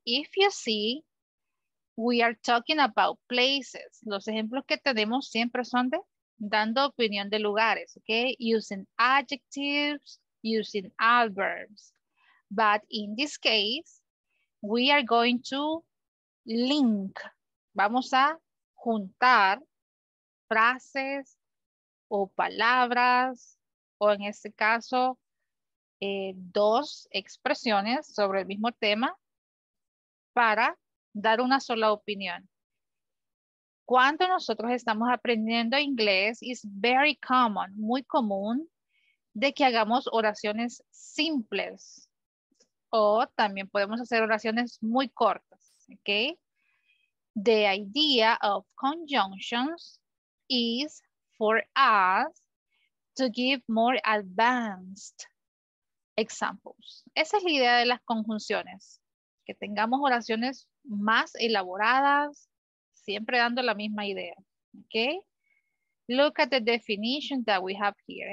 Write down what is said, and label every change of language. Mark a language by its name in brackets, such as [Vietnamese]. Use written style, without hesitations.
[English] If you see, we are talking about places. [Spanish] Los ejemplos que tenemos siempre son de dando opinión de lugares, okay? [English] Using adjectives, using adverbs. But in this case, we are going to link. [Spanish] Vamos a juntar frases o palabras, o en este caso, dos expresiones sobre el mismo tema para dar una sola opinión. Cuando nosotros estamos aprendiendo inglés, [English] it's very common, [Spanish] muy común, de que hagamos oraciones simples o también podemos hacer oraciones muy cortas, okay? [English] The idea of conjunctions is for us to give more advanced examples. [Spanish] Esa es la idea de las conjunciones, que tengamos oraciones más elaboradas, siempre dando la misma idea, okay? [English] Look at the definition that we have here.